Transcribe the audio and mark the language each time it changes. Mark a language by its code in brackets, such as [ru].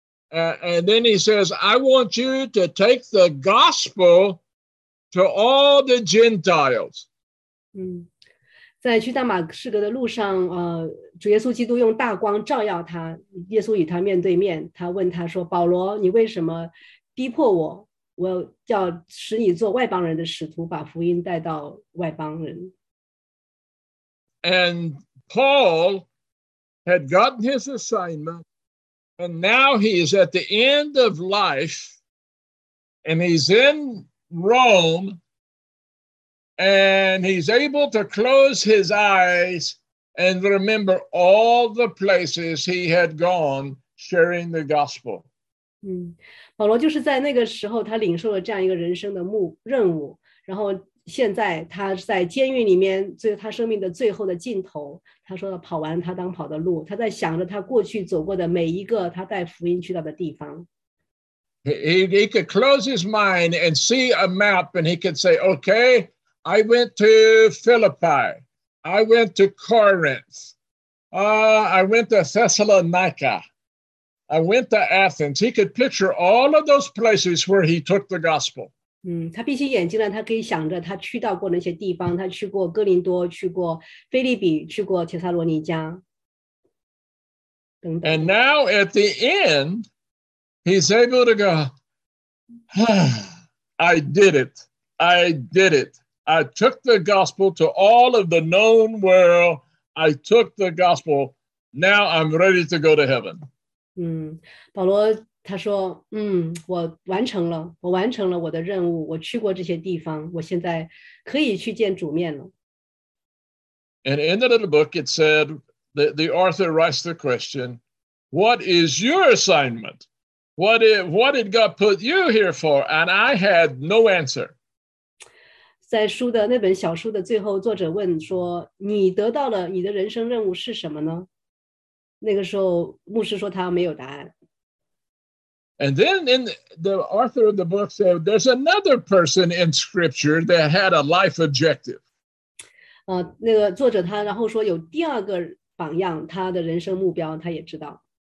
[en] And then he says, I want you to take the gospel to all the Gentiles. [zh] 在去大马士革的路上, 主耶稣基督用大光照耀他, 耶稣与他面对面, 他问他说, 保罗, 你为什么逼迫我? 我要使你做外邦人的使徒, 把福音带到外邦人。 [en] And Paul had gotten his assignment, and now he is at the end of life, and he's in Rome, and he's able to close his eyes and remember all the places he had gone sharing the gospel. [zh] 保罗就是在那个时候他领受了这样一个人生的任务, 然后现在他在监狱里面最他生命的最后的尽头，他说跑完他当跑的路，他在想着他过去走过的每一个他带福音去到的地方。 [en] He could close his mind and see a map and he could say, okay, I went to Philippi. I went to Corinth. I went to Thessalonica. I went to Athens. He could picture all of those places where he took the gospel. [zh] 他闭起眼睛呢，他可以想着他去到过那些地方，他去过哥林多，去过腓立比，去过帖撒罗尼迦等等。 [en] And now at the end,He's able to go, I did it. I did it. I took the gospel to all of the known world. I took the gospel. Now I'm ready to go to heaven. [zh] 保罗他说，我完成了，我完成了我的任务。我去过这些地方，我现在可以去见主面了。 [en] And in the little book, it said, the author writes the question, what is your assignment? What did God put you here for? And I had no answer. [zh] 在书的那本小书的最后，作者问说：“你得到了你的人生任务是什么呢？” 那个时候，牧师说他没有答案。 [en] And then in the author of the book said, "There's another person in Scripture that had a life objective." [zh] 那个作者他然后说有第二个榜样，他的人生目标他也知道。